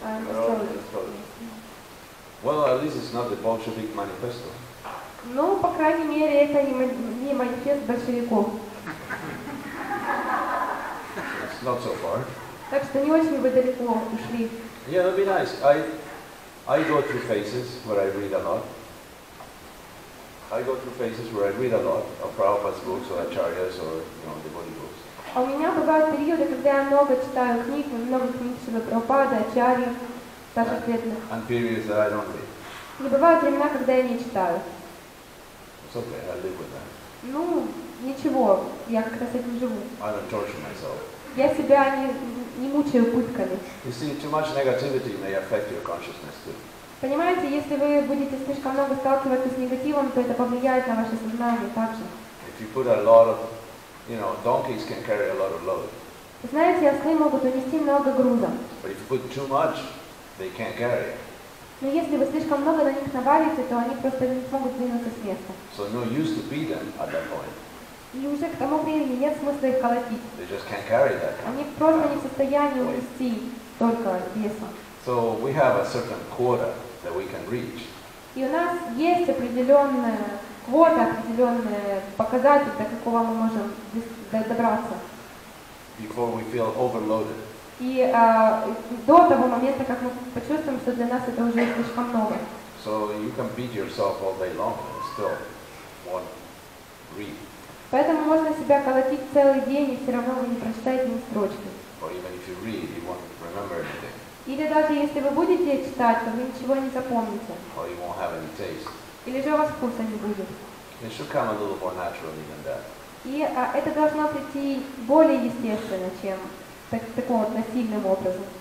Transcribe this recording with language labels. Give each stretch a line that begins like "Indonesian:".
English: Well, at least it's not the Bolshevik manifesto.
Russian: Ну, по крайней мере, это не манифест большевиков.
English: It's not so far.
Russian: Так что не очень вы далеко ушли.
English: Yeah, that'd be nice. I go through phases where I read a lot of Prabhupada's books or Acharya's or, you know, devotee books.
Russian: У меня бывают периоды, когда я много читаю книг, много книг Шрилы Прабхупады, Ачарьи, старших преданных.
English: And periods that I don't read.
Russian: Не бывают времена, когда я не читаю.
English: It's okay, I live with that.
Russian: Ну, ничего, я как раз этим живу.
English: I don't torture myself.
Russian: Я себя не мучаю пытками.
English: You see, too much negativity may affect your consciousness too.
Russian: Понимаете, если вы будете слишком много сталкиваться с негативом, то это повлияет на ваше сознание также.
English: If you put a lot of, you know, donkeys can carry a lot of load.
Russian: Знаете, ослы могут унести много груза.
English: But if you put too much, they can't carry it.
Russian: Но если вы слишком много на них навалите, то они просто не смогут двинуться с места.
English: So no use to beat them at that point.
Russian: И уже к тому времени нет смысла их колотить.
English: They just can't carry that.
Russian: Они просто не в состоянии унести столько веса.
English: So we have a certain quota that we can reach.
Russian: И у нас есть определенная квота, определенные показатели, до какого мы можем добраться.
English: Before we feel overloaded.
Russian: И до того момента, как мы почувствуем, что для нас это уже слишком много.
English: So you can beat yourself all day long and still won't read.
Russian: Поэтому можно себя колотить целый день и все равно вы не прочитаете ни строчки.
English: Or even if you read, you won't remember anything.
Russian: Или даже если вы будете читать, то вы ничего не запомните.
English: Or you won't have any taste.
Russian: Или же у вас вкуса не будет.
English: It should come a little more naturally than that.
Russian: И это должно прийти более естественно, чем таким вот насильным образом.